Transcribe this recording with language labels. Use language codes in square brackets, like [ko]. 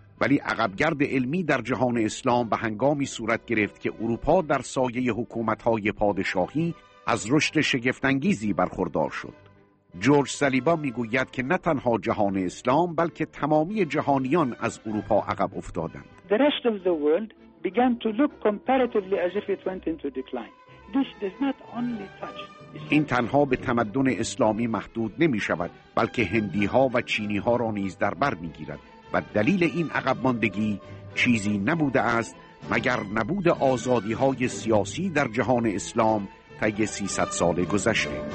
[fa] ولی عقبگرد علمی در جهان اسلام به هنگامی صورت گرفت که اروپا در سایه حکومت‌های پادشاهی از رشد شگفت‌انگیزی برخوردار شد. جورج سلیبا می‌گوید که نه تنها جهان اسلام بلکه تمامی جهانیان از اروپا عقب افتادند. [en] The rest of the world began to look comparatively as if it went into decline. This does not only touch. [fa] این تنها به تمدن اسلامی محدود نمی‌شود، بلکه هندی‌ها و چینی‌ها را نیز در بر می‌گیرد. و دلیل این عقب ماندگی چیزی نبوده است مگر نبود آزادی های سیاسی در جهان اسلام طی 300 سال گذشته؟